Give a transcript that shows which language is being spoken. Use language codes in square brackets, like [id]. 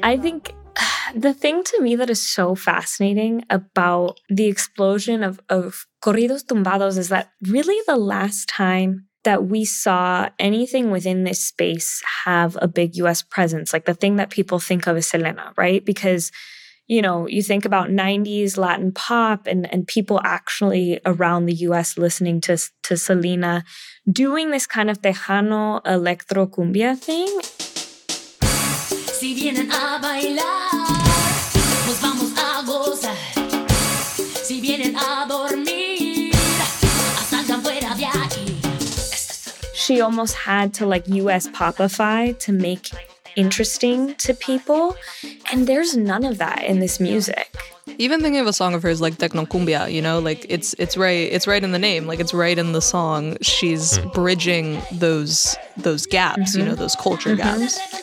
[en] I think the thing to me that is so fascinating about the explosion of corridos tumbados is that really the last time that we saw anything within this space have a big US presence, like the thing that people think of is Selena, right? Because you know, you think about 90s Latin pop and people actually around the U.S. listening to Selena doing this kind of Tejano electro cumbia thing. [es] Si vienen a bailar, pues vamos a gozar. Si vienen a dormir, hasta allá fuera de aquí. [en] She almost had to like U.S. popify to make interesting to people, and there's none of that in this music. Even thinking of a song of hers like Tecnocumbia, you know, like it's right in the name, like it's right in the song. She's bridging those gaps, mm-hmm. you know, those culture mm-hmm. gaps.